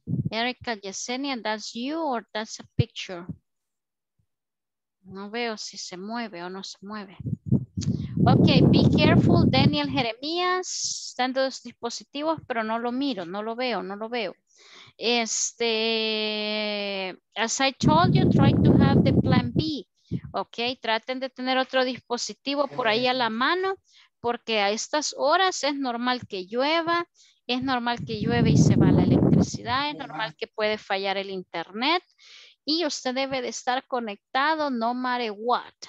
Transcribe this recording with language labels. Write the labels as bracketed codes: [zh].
[en] Erika, Yesenia, that's you or that's a picture? [es] No veo si se mueve o no se mueve. [en] Ok, be careful, [es] Daniel Jeremías, están dos dispositivos, pero no lo miro, no lo veo, no lo veo. [en] Este, as I told you, try to have the plan B. [es] Ok, traten de tener otro dispositivo por ahí a la mano, porque a estas horas es normal que llueva, es normal que llueve y se va la electricidad, es normal que puede fallar el internet. Y usted debe de estar conectado [en] no matter what.